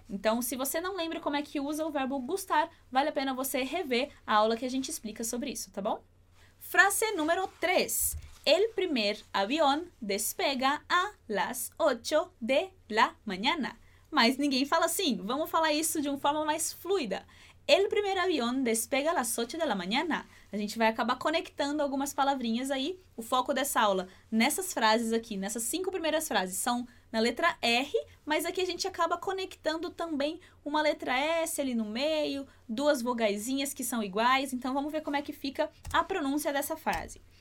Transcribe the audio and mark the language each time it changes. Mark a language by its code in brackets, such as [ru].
[pt] Então, se você não lembra como é que usa o verbo gustar, vale a pena você rever a aula que a gente explica sobre isso, tá bom? Frase número 3. [es] El primer avión despega a las 8 de la mañana. [pt] Mas ninguém fala assim. Vamos falar isso de uma forma mais fluida. [es] El primer avión despega a las 8 de la mañana. [pt] A gente vai acabar conectando algumas palavrinhas aí. O foco dessa aula nessas frases aqui, nessas 5 primeiras frases, são na letra R, mas aqui a gente acaba conectando também uma letra S ali no meio, duas vogaisinhas que são iguais. Então, vamos ver como é que fica a pronúncia dessa frase.